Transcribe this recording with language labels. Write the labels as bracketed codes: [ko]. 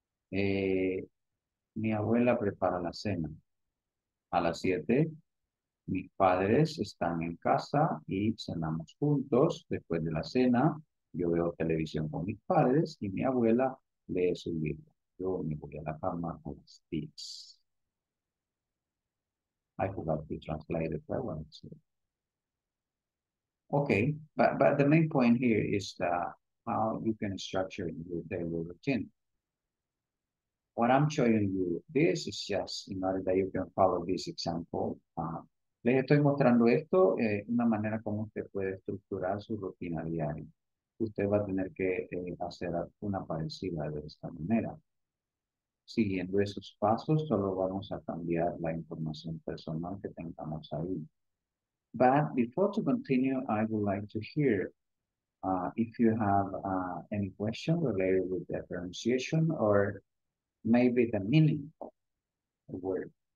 [es] Mi abuela prepara la cena a las 7. Mis padres están en casa y cenamos juntos. Después de la cena, yo veo televisión con mis padres y mi abuela lee su libro. Yo me voy a la cama a las 10. [en] I forgot to translate it, but I wanted to. Okay, but the main point here is how you can structure your daily routine. What I'm showing you, this is just in order that you can follow this example. [es] Les estoy mostrando esto, una manera como usted puede estructurar su rutina diaria. Usted va a tener que hacer una parecida de esta manera. Siguiendo esos pasos, solo vamos a cambiar la información personal que tengamos ahí. [en] But before to continue, I would like to hear if you have any question related with differentiation or maybe the meaning of the word.